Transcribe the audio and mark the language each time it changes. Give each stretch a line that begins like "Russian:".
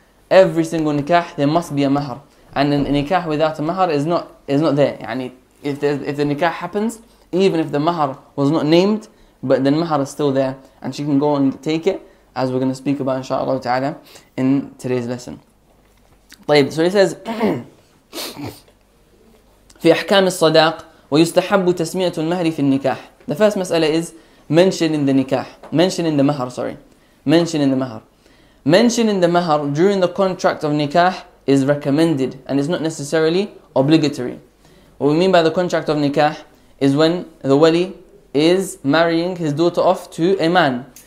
English: Every single nikah, there must be a mahar. And a nikah without a mahar is not there. Yani, if the nikah happens, even if the mahar was not named, but then mahar is still there. And she can go and take it, as we're going to speak about, inshaAllah ta'ala, in today's lesson.
Arabic: طيب,
English: so he says,
Arabic: في أحكام الصداق ويستحب تسمية المهر في النكاح.
English: The first mas'ala is, Mention in the mahar during the contract of nikah is recommended and is not necessarily obligatory. What we mean by the contract of nikah is when the wali is marrying his daughter off to a man.